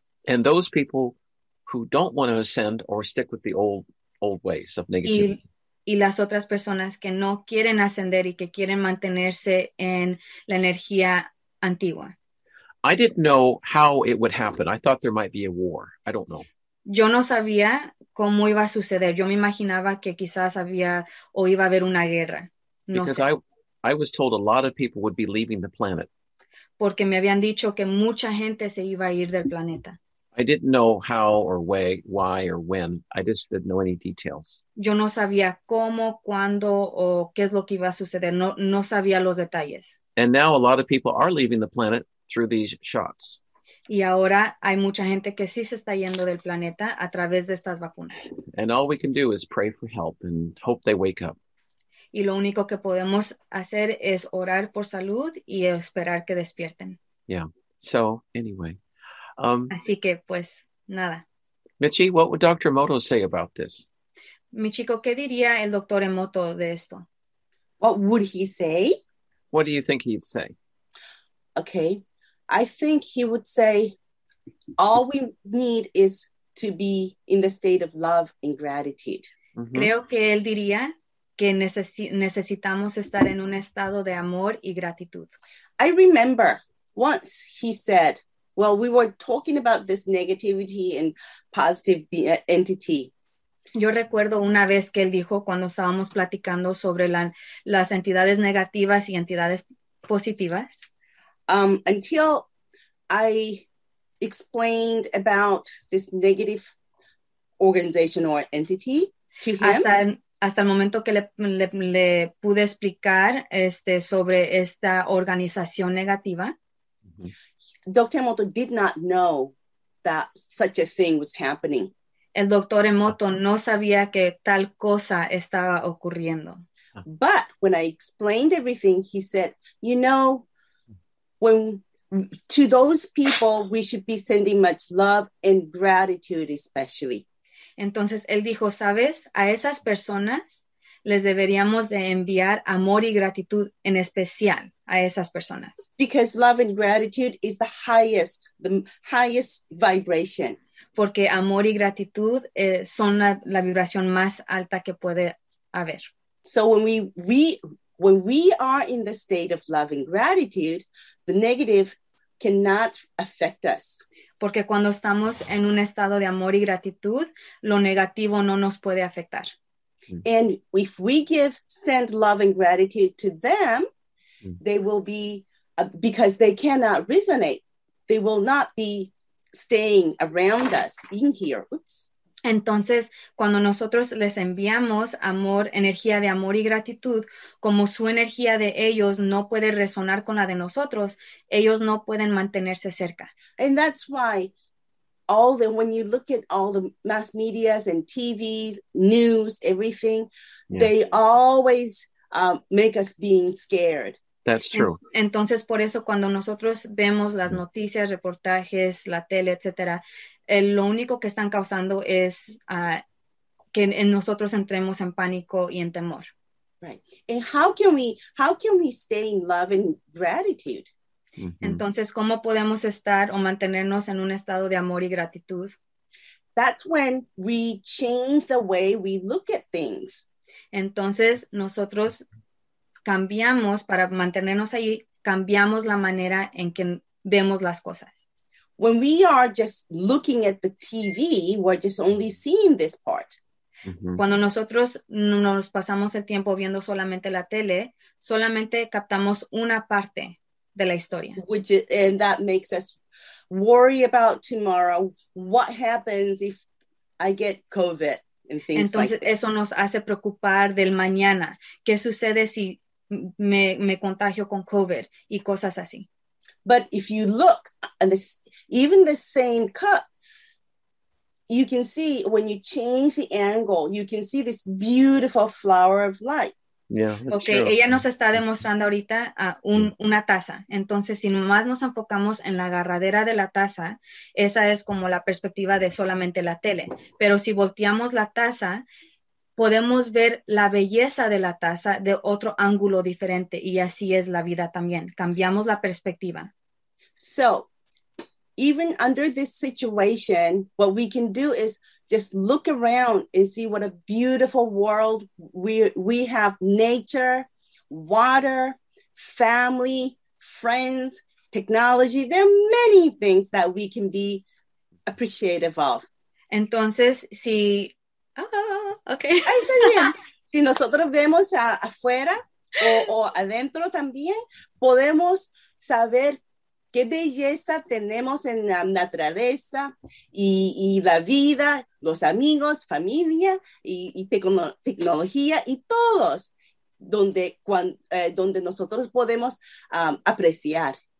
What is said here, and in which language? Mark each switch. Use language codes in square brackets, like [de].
[en] And those people who don't want to ascend or stick with the old ways of negativity. [es] Y las otras personas que no quieren ascender y que quieren mantenerse en la energía antigua. [en] I didn't know how it would happen. I thought there might be a war. I don't know. [es] Yo no sabía cómo iba a suceder. Yo me imaginaba que quizás había o iba a haber una guerra. No [en] because [es] sé. [en] I was told a lot of people would be leaving the planet. [es] Porque me habían dicho que mucha gente se iba a ir del planeta. [en] I didn't know how or why or when. I just didn't know any details. [es] Yo no sabía cómo, cuándo o qué es lo que iba a suceder. No sabía los detalles. [en] And now a lot of people are leaving the planet through these shots. [es] Y ahora hay mucha gente que sí se está yendo del planeta a través de estas vacunas. [en] And all we can do is pray for help and hope they wake up. [es] Y lo único que podemos hacer es orar por salud y esperar que despierten. [en] Yeah. So, anyway. [es] Así que, pues, nada. [en] Michi, what would Dr. Emoto say about this? [es] Michiko, ¿qué diría el Dr. Emoto de esto? [en] What would he say? What do you think he'd say? Okay. I think he would say, all we need is to be in the state of love and gratitude. Mm-hmm. [es] Creo que él diría que necesitamos estar en un estado de amor y gratitud. [en] I remember once he said, well, we were talking about this negativity and positive entity. [es] Yo recuerdo una vez que él dijo cuando estábamos platicando sobre las entidades negativas y entidades positivas. [en] Until I explained about this negative organization or entity to him. [es] Hasta el momento que le pude explicar sobre esta organización negativa. [en] Dr. Emoto did not know that such a thing was happening. [es] El Dr. Emoto no sabía que tal cosa estaba ocurriendo. [en] But when I explained everything, he said, you know, when to those people, we should be sending much love and gratitude especially. [es] Entonces, él dijo, ¿sabes? A esas personas les deberíamos de enviar amor y gratitud en especial a esas personas. [en] Because love and gratitude is the highest vibration. [es] Porque amor y gratitud son la vibración más alta que puede haber. [en] So when we are in the state of love and gratitude, the negative cannot affect us. [es] Porque cuando estamos en un estado de amor y gratitud, lo negativo no nos puede afectar. [en] And if we send love and gratitude to them, they will be, because they cannot resonate, they will not be staying around us in here. Oops. [es] Entonces, cuando nosotros les enviamos amor, energía de amor y gratitud, como su energía de ellos no puede resonar con la de nosotros, ellos no pueden mantenerse cerca. [en] And that's why when you look at all the mass medias and TVs, news, everything, they always make us being scared. That's true. [es] Entonces, por eso, cuando nosotros vemos las noticias, reportajes, la tele, etcétera, lo único que están causando es que nosotros entremos en pánico y en temor. [en] Right. And how can we stay in love and gratitude? [es] Entonces, ¿cómo podemos estar o mantenernos en un estado de amor y gratitud? [en] That's when we change the way we look at things. [es] Entonces, nosotros cambiamos, para mantenernos ahí, cambiamos la manera en que vemos las cosas. [en] When we are just looking at the TV, we're just only seeing this part. [es] Cuando nosotros nos pasamos el tiempo viendo solamente la tele, solamente captamos una parte de la historia. [en] And that makes us worry about tomorrow. What happens if I get COVID and things like that? [es] Entonces eso nos hace preocupar del mañana. ¿Qué sucede si me contagio con COVID? Y cosas así. [en] But if you look at this, even the same cup, you can see when you change the angle, you can see this beautiful flower of light. Yeah, okay. True. [es] Ella nos está demostrando ahorita una taza. Entonces, si nomás nos enfocamos en la agarradera de la taza, esa es como la perspectiva de solamente la tele. Pero si volteamos la taza, podemos ver la belleza de la taza de otro ángulo diferente. Y así es la vida también. Cambiamos la perspectiva. [en] So, even under this situation, what we can do is just look around and see what a beautiful world we have. Nature, water, family, friends, technology. There are many things that we can be appreciative of. [es] Entonces, si... Ahí está bien. Si nosotros vemos afuera o adentro también, podemos saber qué belleza tenemos en la naturaleza y la vida, los amigos, familia y tecnología y todos donde nosotros podemos apreciar.